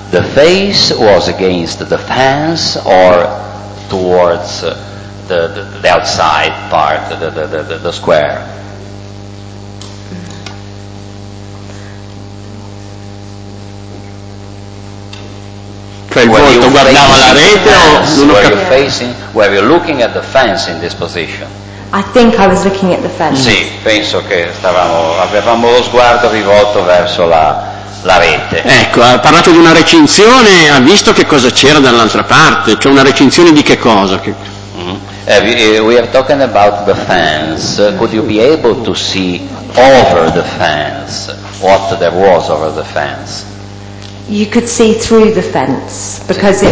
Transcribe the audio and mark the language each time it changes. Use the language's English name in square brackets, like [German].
[English] The face was against the fence or towards the outside part, the square. [Italian] Cioè il volto guardava la rete o [English] were you facing? Were you looking at the fence in this position? I think I was looking at the fence. [Italian] Sì, penso che avevamo lo sguardo rivolto verso la rete. Ecco, ha parlato di una recinzione, ha visto che cosa c'era dall'altra parte, cioè una recinzione di che cosa? [English] We are talking about the fence. Could you be able to see over the fence what there was over the fence? You could see through the fence because it